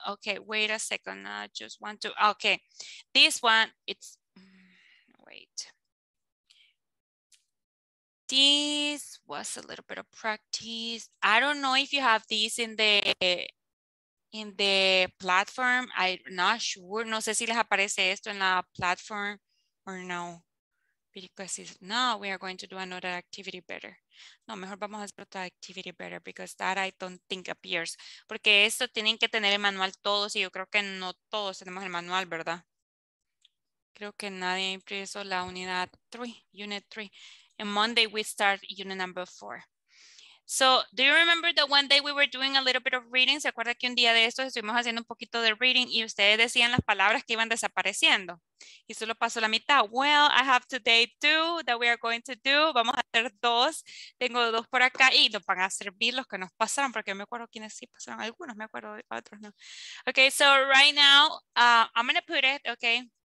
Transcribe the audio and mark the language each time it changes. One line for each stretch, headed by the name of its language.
English: Okay, wait a second. I just want to, okay. This one, it's, wait. This was a little bit of practice. I don't know if you have these in the platform. I'm not sure.
Spanish: No sé si les aparece esto en la platform
English: or no. Because if not, we are going to do another activity better.
Spanish: No, mejor vamos a hacer otra
English: activity better because that I don't think appears.
Spanish: Porque esto tienen que tener el manual todos y yo creo que no todos tenemos el manual, ¿verdad? Creo que nadie impreso la unidad 3, unit 3.
English: And Monday we start unit number 4. So, do you remember that one day we were doing a little bit of reading?
Spanish: ¿Se acuerda que un día de estos estuvimos haciendo un poquito de reading y ustedes decían las palabras que iban desapareciendo? Y solo pasó la mitad.
English: Well, I have today two that we are going to do.
Spanish: Vamos a hacer dos. Tengo dos por acá y nos van a servir los que nos pasaron porque no me acuerdo quiénes sí pasaron. Algunos me acuerdo, otros no.
English: Okay, so right now, I'm going to put it, okay.